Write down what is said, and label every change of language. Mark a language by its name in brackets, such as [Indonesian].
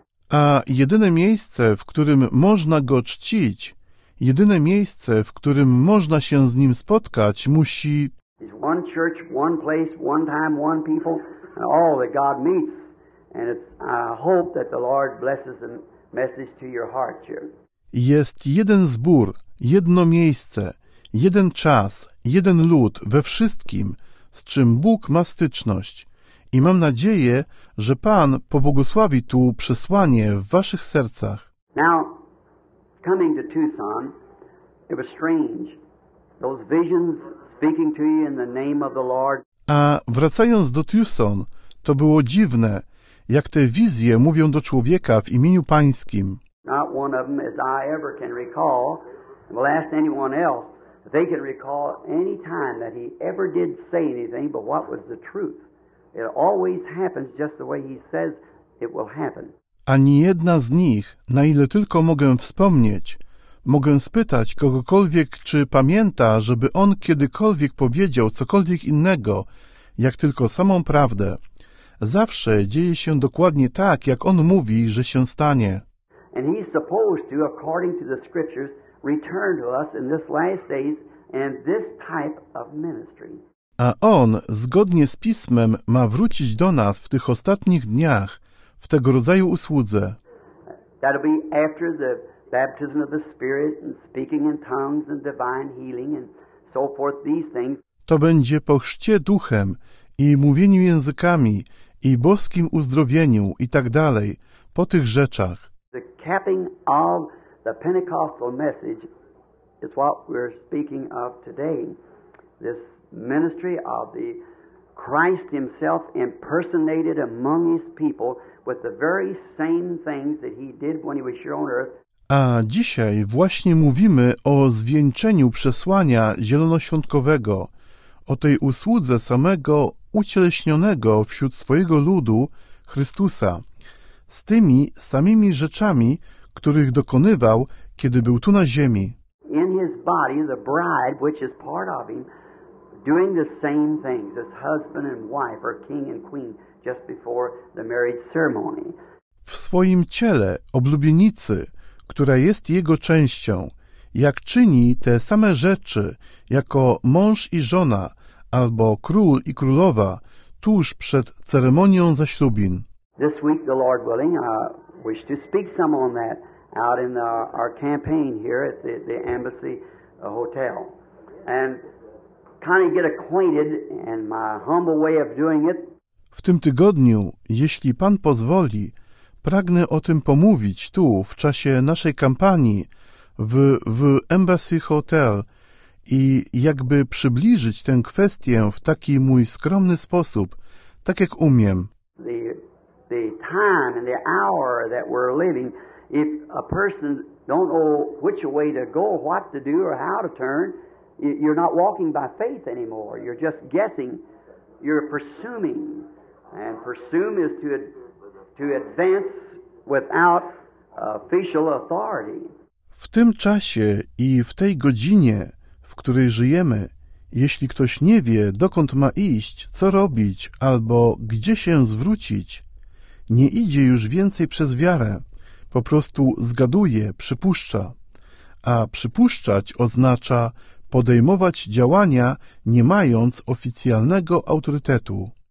[Polish] A jedyne miejsce, w którym można go czcić, jedyne miejsce, w którym można się z nim spotkać, musi... [English] It's one church, one place, one time, one people, and all that God meets. And it's, I hope that the Lord blesses the message to your heart here. [Polish] Jest jeden zbór, jedno miejsce, jeden czas, jeden lud we wszystkim, z czym Bóg ma styczność. I mam nadzieję, że Pan pobłogosławi tu przesłanie w waszych sercach. [English] Now, coming to Tucson, it was strange. Those visions speaking to you in the name of the Lord. [Polish] A wracając do Tucson, to było dziwne, jak te wizje mówią do człowieka w imieniu Pańskim. [English] Not one of them, as I ever can recall, will ask anyone else. They can recall any time that he ever did say anything, but what was the truth? It always happens just the way he says it will happen. [Polish] Ani jedna z nich, na ile tylko mogę wspomnieć, mogę spytać kogokolwiek, czy pamięta, żeby on kiedykolwiek powiedział cokolwiek innego, jak tylko samą prawdę. Zawsze dzieje się dokładnie tak, jak on mówi, że się stanie. [English] And he's supposed to, according to the scriptures, return to us in this last days and this type of ministry. [Polish] A on, zgodnie z Pismem, ma wrócić do nas w tych ostatnich dniach, w tego rodzaju usłudze. [English] That'll be after the baptism of the Spirit and speaking in tongues and divine healing and so forth, these things. [Polish] To będzie po chrzcie duchem i mówieniu językami i boskim uzdrowieniu i tak dalej, po tych rzeczach. [English] The capping of the Pentecostal message is what we're speaking of today. This ministry of the Christ himself impersonated among his people with the very same things that he did when he was here on earth. [Polish] A dzisiaj właśnie mówimy o zwieńczeniu przesłania zielonoświątkowego, o tej usłudze samego ucieleśnionego wśród swojego ludu Chrystusa, z tymi samymi rzeczami, których dokonywał, kiedy był tu na ziemi. [English] In his body, the bride, which is part of him, doing the same things as husband and wife or king and queen just before the marriage ceremony. [Polish] W swoim ciele, oblubienicy, która jest jego częścią, jak czyni te same rzeczy jako mąż i żona albo król i królowa tuż przed ceremonią zaślubin. [English] This week, the Lord willing, I wish to speak some on that out in our campaign here at the Embassy Hotel. And kind of get acquainted in my humble way of doing it. [Polish] W tym tygodniu, jeśli Pan pozwoli, pragnę o tym pomówić tu, w czasie naszej kampanii, w Embassy Hotel i jakby przybliżyć tę kwestię w taki mój skromny sposób, tak jak umiem. [English] The time and the hour that we're living, if a person don't know which way to go, what to do, or how to turn, you're not walking by faith anymore. You're just guessing. You're presuming. And presume is to advance without official authority. [Polish] W tym czasie i w tej godzinie, w której żyjemy, jeśli ktoś nie wie, dokąd ma iść, co robić, albo gdzie się zwrócić, nie idzie już więcej przez wiarę. Po prostu zgaduje, przypuszcza. A przypuszczać oznacza podejmować działania, nie mając oficjalnego autorytetu.